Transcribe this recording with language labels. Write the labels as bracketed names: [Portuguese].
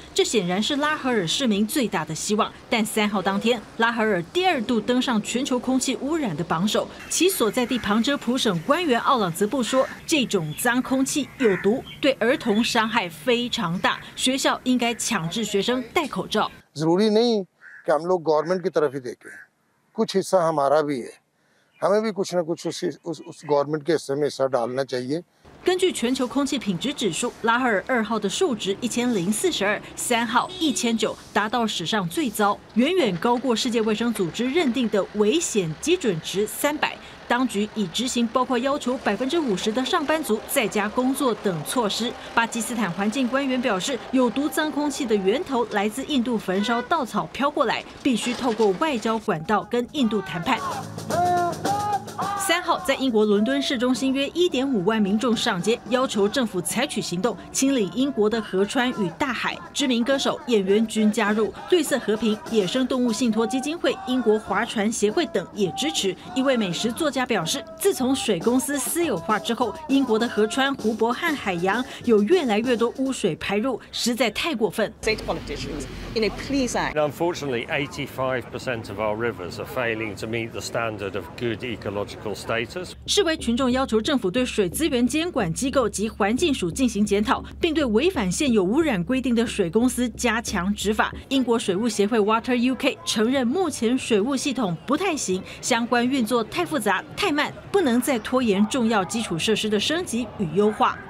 [Chinese] 这显然是拉合尔市民最大的希望。但3号当天，拉合尔第二度登上全球空气污染的榜首。其所在地旁遮普省官员奥朗泽布说，这种脏空气有毒，对儿童伤害非常大，学校应该强制学生戴口罩。 [Hindi] जरूरी नहीं कि हम लोग गवर्नमेंट की तरफ ही देखें कुछ हिस्सा हमारा भी है हमें भी कुछ ना कुछ उस गवर्नमेंट के हिस्से में हिस्सा डालना चाहिए [Chinese] 根据全球空气品质指数，拉合尔二号的数值1042，3号1900，达到史上最糟，远远高过世界卫生组织认定的危险基准值300。当局已执行包括要求50%的上班族在家工作等措施。巴基斯坦环境官员表示，有毒脏空气的源头来自印度焚烧稻草飘过来，必须透过外交管道跟印度谈判。三号。号在英国伦敦市中心约 1.5 万民众上街，要求政府采取行动清理英国的河川与大海。知名歌手、演员均加入，绿色和平、野生动物信托基金会、英国划船协会等也支持。一位美食作家表示，自从水公司私有化之后，英国的河川、湖泊和海洋有越来越多污水排入，实在太过分。 [English] Unfortunately, 85% of our rivers are failing to meet the standard of good ecological status. [Chinese] 示威群众要求政府对水资源监管机构及环境署进行检讨，并对违反现有污染规定的水公司加强执法。英国水务协会 Water UK 承认，目前水务系统不太行，相关运作太复杂、太慢，不能再拖延重要基础设施的升级与优化。